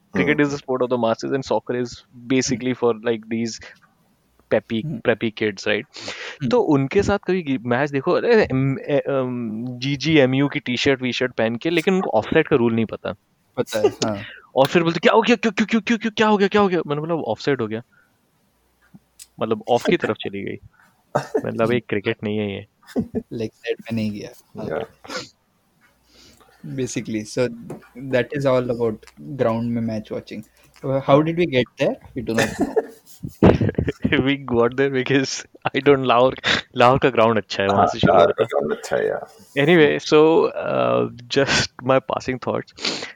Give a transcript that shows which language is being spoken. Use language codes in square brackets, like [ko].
[en] Cricket is the sport of the masses and soccer is basically for like these preppy kids, right? [hi] तो उनके साथ कभी match देखो अरे GGMU की टी-शर्ट पहन के, लेकिन उनको ऑफसाइड का रूल नहीं पता. पता है हाँ. और फिर बोलते क्या हो गया, क्यों क्यों क्यों क्यों क्या हो गया, क्या हो गया. मैंने बोला ऑफसाइड हो गया, मतलब ऑफ की तरफ चली गई, मतलब एक क्रिकेट नहीं है ये. [en] Like that, I didn't go. Yeah. Basically, so that is all about ground mein match watching. How did we get there? We do not know. We got there because I don't know. [hi] Lahore ka ground acha hai. Lahore ka ground acha hai. Yeah. [en] Anyway, so just my passing thoughts.